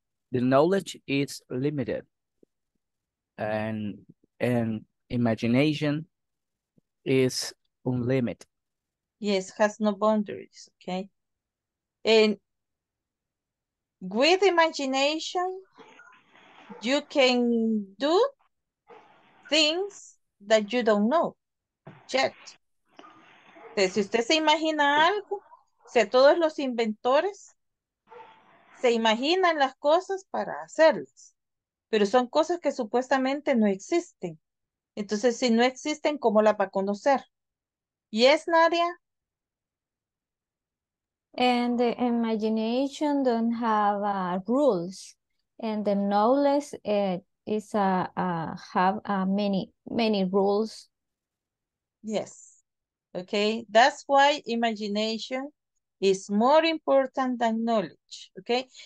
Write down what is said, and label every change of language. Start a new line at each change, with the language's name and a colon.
English: The knowledge is limited, and imagination is unlimited. Yes, has no boundaries, okay? And with imagination, you can do things that you don't know yet.
Spanish: Entonces, si usted se imagina algo, o sea, todos los inventores se imaginan las cosas para hacerlas, pero son cosas que supuestamente no existen. Entonces, si no existen, ¿cómo las va a conocer? ¿Y es Nadia?
English: And the imagination don't have rules, and the knowledge is have many rules. Yes. Okay. That's why imagination is more important than knowledge. Okay.